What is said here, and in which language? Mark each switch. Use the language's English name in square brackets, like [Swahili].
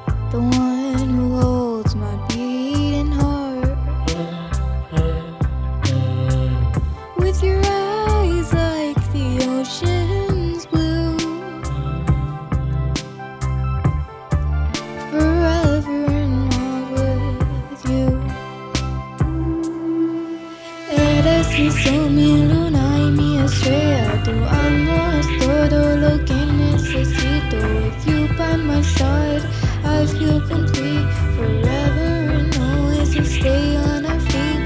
[English] The one who holds my beating heart. With your eyes like the ocean's blue. Forever in love with you. [Spanish] Eres mi sol, mi luna y mi estrella. Tu amor es todo lo que necesito. [English] With you by my side, I feel complete. Forever and always we stay on our feet.